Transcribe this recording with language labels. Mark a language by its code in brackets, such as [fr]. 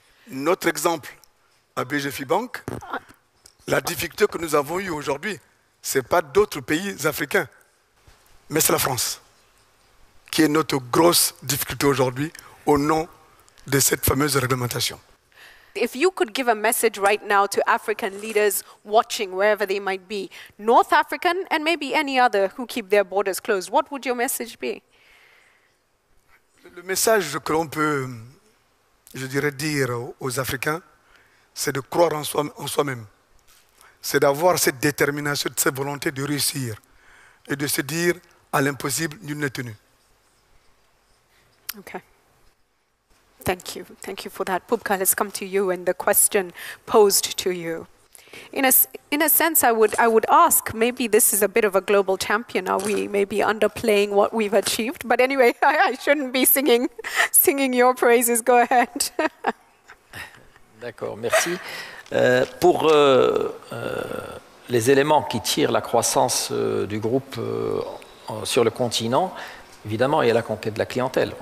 [fr] Notre exemple à BGFI Bank, la difficulté que nous avons eue aujourd'hui, ce n'est pas d'autres pays africains, mais c'est la France qui est notre grosse difficulté aujourd'hui au nom de cette fameuse réglementation. [en] If you could give a message right now to African leaders watching, wherever they might be, North African and maybe any other who keep their borders closed, what would your message be? [fr] Le message que l'on peut, je dirais, dire aux Africains, c'est de croire en soi-même. C'est d'avoir cette détermination, cette volonté de réussir et de se dire à l'impossible, nul n'est tenu. [en] Okay. Thank you. Thank you for that. Pupka, let's come to you and the question posed to you. In a sense, I would ask, maybe this is a bit of a global champion. Are we maybe underplaying what we've achieved? But anyway, I shouldn't be singing your praises. Go ahead. [fr] D'accord, merci. Les éléments qui tirent la croissance du groupe sur le continent, évidemment, il y a la conquête de la clientèle.